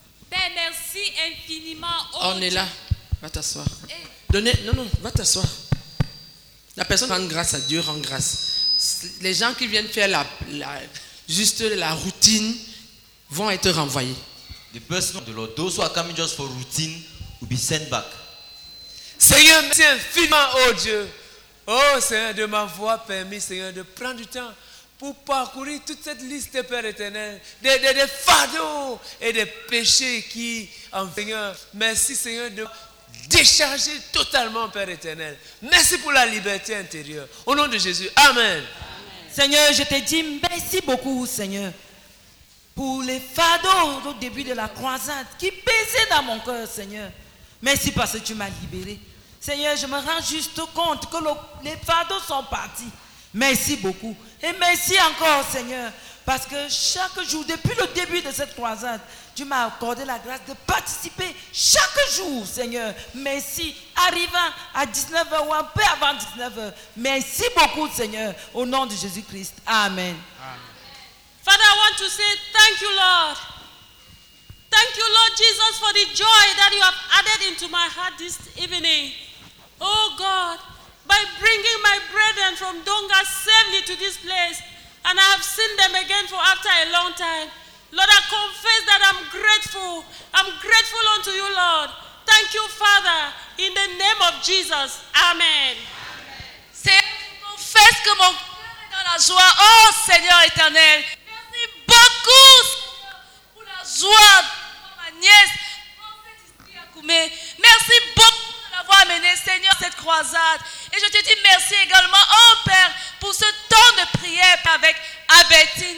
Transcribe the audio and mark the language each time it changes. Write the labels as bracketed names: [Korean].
[French] Père, merci infiniment. On est là. Va t'asseoir. Va t'asseoir. La personne rend grâce à Dieu, rend grâce. Les gens qui viennent faire la routine vont être renvoyés. [English] The person of the Lord, those who are coming just for routine will be sent back. [French] Seigneur, merci infiniment, oh Dieu. Oh Seigneur, de m'avoir permis, Seigneur, de prendre du temps pour parcourir toute cette liste des Pères éternels, des fardeaux et des péchés qui en Seigneur. Merci Seigneur de décharger totalement, Père éternel. Merci pour la liberté intérieure. Au nom de Jésus, amen. Amen. Seigneur, je te dis merci beaucoup, Seigneur, pour les fardeaux au début de la croisade qui pesaient dans mon cœur, Seigneur. Merci parce que tu m'as libéré. Seigneur, je me rends juste compte que les fardeaux sont partis. Merci beaucoup. Et merci encore, Seigneur, parce que chaque jour, depuis le début de cette croisade, tu m'as accordé la grâce de participer chaque jour, Seigneur. Merci. Arrivant à 19h ou un peu avant 19h. Merci beaucoup, Seigneur. Au nom de Jésus-Christ. Amen. Amen. [English] Father, I want to say thank you, Lord. Thank you, Lord Jesus, for the joy that you have added into my heart this evening. Oh God, by bringing my brethren from Donga safely to this place, and I have seen them again for after a long time. Lord, I confess that I'm grateful. I'm grateful unto you, Lord. Thank you, Father, in the name of Jesus. Amen. [French] Seigneur, je confesse que mon cœur est dans la joie. Oh, Seigneur éternel. Merci beaucoup, Seigneur, pour la joie de ma nièce, prophétise Akoumé. Merci beaucoup de l'avoir amené, Seigneur, cette croisade. Et je te dis merci également, oh Père, pour ce temps de prière avec Abetine.